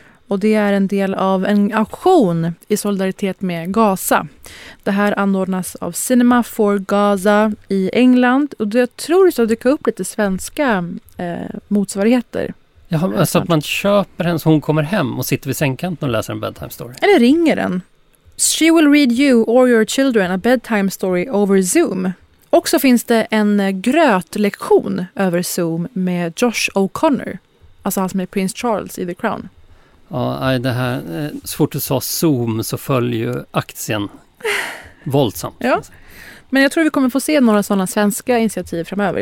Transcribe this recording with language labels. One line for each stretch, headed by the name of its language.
Swedish: Och det är en del av en auktion i solidaritet med Gaza. Det här anordnas av Cinema for Gaza i England. Och jag tror att det dyker upp lite svenska motsvarigheter. Ja, alltså att man köper henne så hon kommer hem och sitter vid sängkanten och läser en bedtime story. Eller ringer den.
English: She will read you or your children a bedtime story over Zoom.
Swedish: Och så finns det en grötlektion över Zoom med Josh O'Connor. Alltså han som är Prince Charles i The Crown. Ja, det här, så fort du sa Zoom så följer ju aktien våldsamt. Ja, men jag tror vi kommer få se några sådana svenska initiativ framöver.